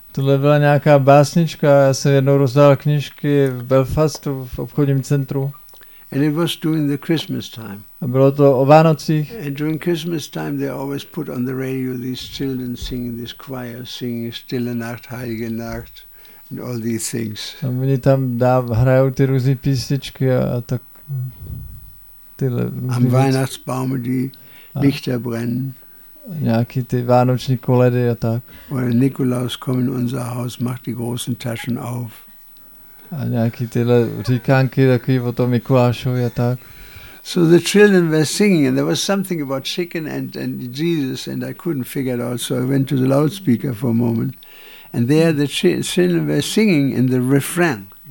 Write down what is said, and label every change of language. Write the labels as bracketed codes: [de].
[cs] Tohle byla nějaká básnička. Já jsem jednou rozdal knížky v Belfastu v obchodním centru. [en] And it was during the Christmas time. [cs] A bylo to o Vánocích. [en] And during Christmas time, they always put on the radio these children singing, this choir singing [de] Stille Nacht, Heilige Nacht, [en] and all these things. [cs] A oni tam hrajou ty různé písničky a tak tyhle. [de] Am Weihnachtsbaum, die Lichter brennen. [cs] Nějaký ty vánoční koledy a tak. [de] Or Nikolaus komm in unser Haus, mach die großen Taschen auf. [cs] A nějaký tyhle říkánky takový o tom Mikulášovi a tak. [en] So the children were singing and there was something about chicken and Jesus and I couldn't figure it out, so I went to the loudspeaker for a moment and there the children were singing in the refrain.